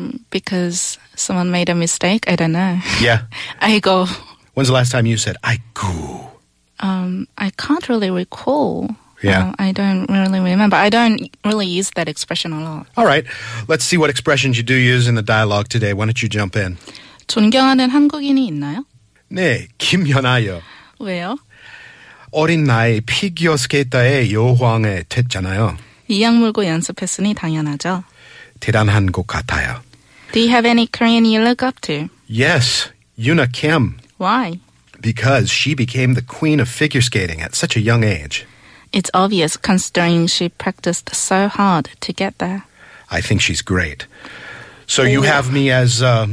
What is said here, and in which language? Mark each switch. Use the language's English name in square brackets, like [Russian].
[English] Because someone made a mistake. I don't know. Yeah. Aiku. When's the last time you said "aiku"? I can't really recall. Yeah. I don't really remember. I don't really use that expression a lot. All right. Let's see what expressions you do use in the dialogue today. Why don't you jump in? [Korean] 존경하는 한국인이 있나요? 네, 김연아요. 왜요? 어린 나이 피겨 스케이터의 여왕에 됐잖아요. 이악물고 연습했으니 당연하죠. 대단한 것 같아요. [English] Do you have any Korean you look up to? Yes, Yuna Kim. Why? Because she became the queen of figure skating at such a young age. It's obvious considering she practiced so hard to get there. I think she's great. So you have me as...